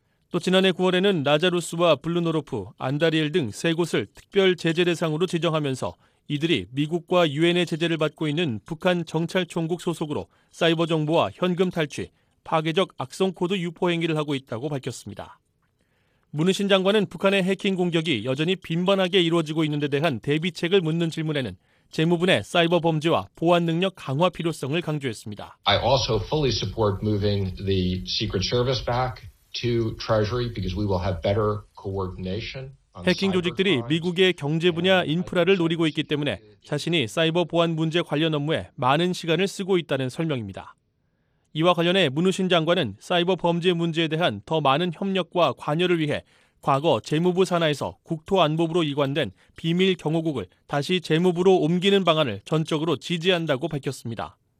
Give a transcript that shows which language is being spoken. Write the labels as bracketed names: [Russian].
[Korean] 또 지난해 9월에는 라자루스와 블루노로프, 안다리엘 등 세 곳을 특별 제재 대상으로 지정하면서 이들이 미국과 유엔의 제재를 받고 있는 북한 정찰총국 소속으로 사이버 정보와 현금 탈취, 파괴적 악성 코드 유포 행위를 하고 있다고 밝혔습니다. 문우신 장관은 북한의 해킹 공격이 여전히 빈번하게 이루어지고 있는 데 대한 대비책을 묻는 질문에는 재무부의 사이버 범죄와 보안 능력 강화 필요성을 강조했습니다. [English] I also fully support moving the Secret Service back to Treasury because we will have better coordination. [Korean] 해킹 조직들이 미국의 경제 분야 인프라를 노리고 있기 때문에 자신이 사이버 보안 문제 관련 업무에 많은 시간을 쓰고 있다는 설명입니다. 이와 관련해 문우신 장관은 사이버 범죄 문제에 대한 더 많은 협력과 관여를 위해 과거 재무부 산하에서 국토안보부로 이관된 비밀 경호국을 다시 재무부로 옮기는 방안을 전적으로 지지한다고 밝혔습니다.